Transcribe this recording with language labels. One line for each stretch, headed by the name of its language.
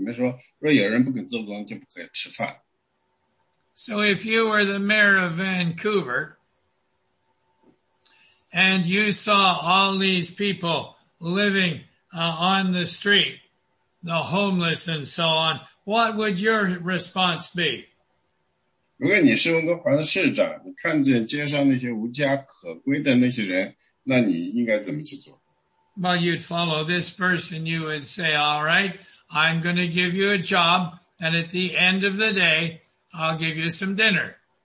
Chinese: 第十节是这样说的,我们在你们那里时候,曾经问你们说,若有人不肯做工,就不可以吃饭。
English: So if you were the mayor of Vancouver, and you saw all these people living on the street, the homeless and so on, what would your response be?
Chinese: 如果你是温哥华的市长,你看见街上那些无家可归的那些人,那你应该怎么去做?
English: Well, you'd follow this verse and you would say, all right, I'm going to give you a job, and at the end of the day, I'll give you some dinner.